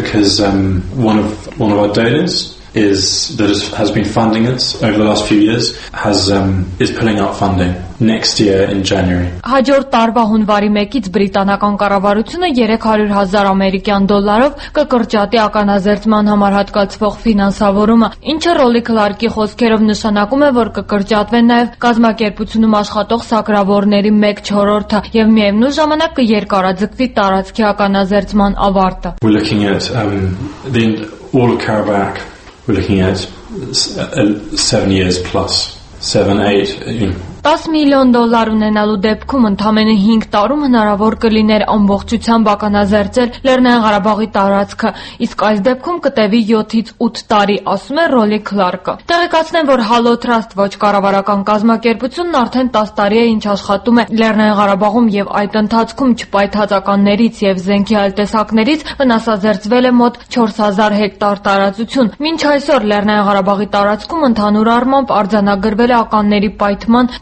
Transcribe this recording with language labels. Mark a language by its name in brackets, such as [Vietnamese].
[English] Is that is, has been funding it over the last few years has is pulling out funding next year in January. [Armenian] Հաջորդ տարվա հունվարի 1-ից բրիտանական կառավարությունը 300 000 ամերիկյան դոլարով կկրճատի ականաձերծման համար հատկացվող ֆինանսավորումը, ինչը Ռոլի Քլարկի խոսքերով նշանակում է, որ կկրճատվեն նաև կազմակերպությունում աշխատող սակրավորների 1/4-ը եւ միևնույն ժամանակ կերկարաձգվի տարածքի ականաձերծման ավարտը. [English] We're looking at the all of Karabakh. We're looking at 7 years plus, 7-8, you know. [Armenian] 10 միլիոն դոլար ունենալու դեպքում ընդամենը 5 տարում հնարավոր կլիներ ամբողջությամբ ականաձերծել Լեռնային Ղարաբաղի տարածքը, իսկ այս դեպքում կտևի 7-ից 8 տարի, ասում է Ռոլի Քլարկը։ Տեղեկացնեմ, որ Հալոթրաստ ոչ կառավարական կազմակերպությունն արդեն 10 տարի է ինչ աշխատում է Լեռնային Ղարաբաղում եւ այդ ընթացքում չպայթացականներից եւ զենքի այլ տեսակներից վնասազերծվել է մոտ 4000 հեկտար տարածություն։ Մինչ այսօր Լեռնային Ղարաբաղի տարածքում ընդհանուր առմամբ արձանագրվել է ականների պայթման